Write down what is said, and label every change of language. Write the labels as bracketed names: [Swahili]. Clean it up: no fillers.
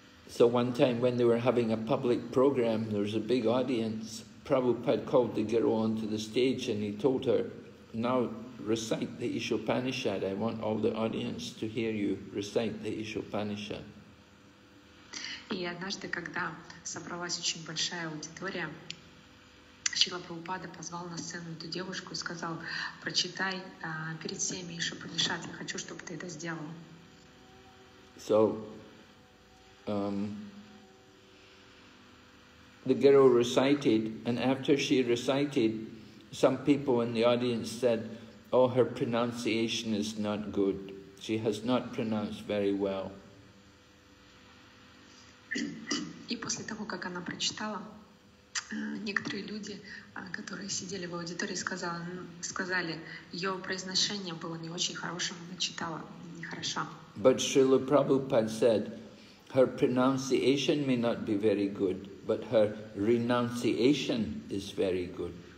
[English] So one time when they were having a public program, there was a big audience, Prabhupada called the girl onto the stage and he told her, now recite the Isha Upanishad, I want all the audience to hear you recite the Isha Upanishad. [Russian] И однажды, когда собралась очень большая аудитория, Шрила Прабхупада позвал на сцену эту девушку и сказал, прочитай перед всеми Ишу Панишат, я хочу, чтобы ты это сделал. [English] So, the girl recited, and after she recited, some people in the audience said, oh, her pronunciation is not good. She has not pronounced very well. [Russian] И после того, как она прочитала, некоторые люди, которые сидели в аудитории, сказали, ее произношение было не очень хорошим, она читала нехорошо. [English] But Srila Prabhupada said, her pronunciation may not be very good, but her renunciation is very good.